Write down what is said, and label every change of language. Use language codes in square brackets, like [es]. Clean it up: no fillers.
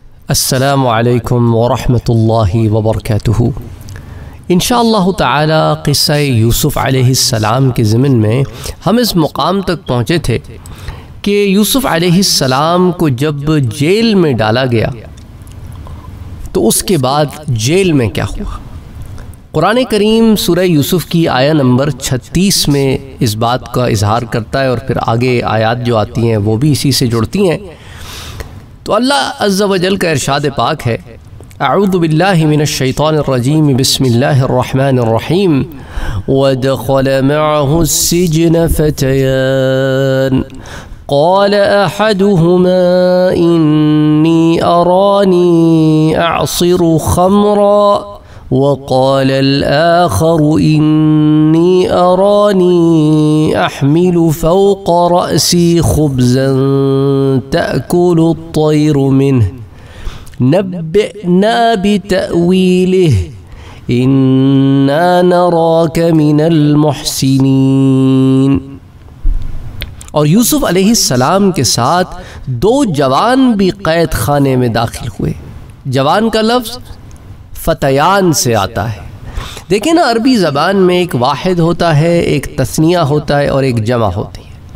[ar] السلام عليكم ورحمة الله وبركاته. [ur] ان شاء اللہ تعالی قصہ یوسف علیہ السلام کے ضمن میں ہم اس مقام تک پہنچے تھے کہ یوسف علیہ السلام کو جب جیل میں ڈالا گیا تو اس کے بعد جیل میں کیا ہوا. قرآن کریم سورہ یوسف کی آیہ نمبر 36 میں اس بات کا اظہار کرتا ہے اور پھر آگے آیات جو آتی ہیں وہ بھی اسی سے جڑتی ہیں. تو اللہ عز و جل کا ارشاد پاک ہے, [ar] اعوذ باللہ من الشیطان الرجیم, بسم اللہ الرحمن الرحیم, ودخل معه السجن فتیان قال احدهما انی ارانی اعصر خمرا وقال الآخر إني أراني أحمل فوق رأسي خبزا تأكل الطير منه نبئنا بتأويله إنا نراك من المحسنين. [ur] اور یوسف علیہ السلام کے ساتھ دو جوان بھی قید خانے میں داخل ہوئے. جوان کا لفظ فتیان سے آتا ہے. دیکھیں نا, عربی زبان میں ایک واحد ہوتا ہے, ایک تثنیہ ہوتا ہے اور ایک جمع ہوتی ہے.